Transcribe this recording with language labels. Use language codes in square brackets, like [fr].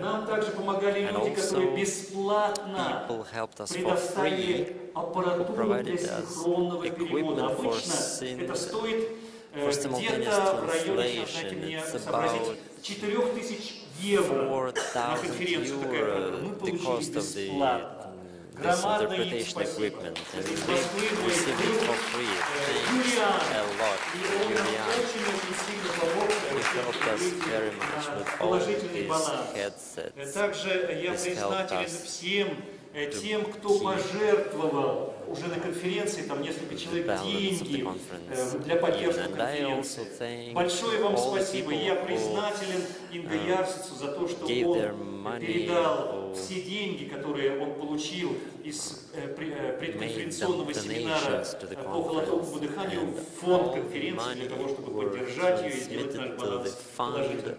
[ru] Нам также помогали люди, которые бесплатно предоставили аппаратуру для синхронного перевода. Обычно это стоит где-то в районе, сейчас дайте мне сообразить, 4000 евро на конференцию. Такая, мы получили бесплатно. [en] This interpretation equipment, and we receive it for free. Thanks a lot, Julian. He helped us very much with all his headsets. This helped us. [ru] Тем, кто пожертвовал уже на конференции, там несколько человек, деньги для поддержки конференции. Большое вам спасибо. Я признателен Инге Ярсицу за то, что он передал все деньги, которые он получил из предконференционного семинара по холотопному дыханию в фонд конференции для того, чтобы поддержать ее и сделать наш баланс положительным.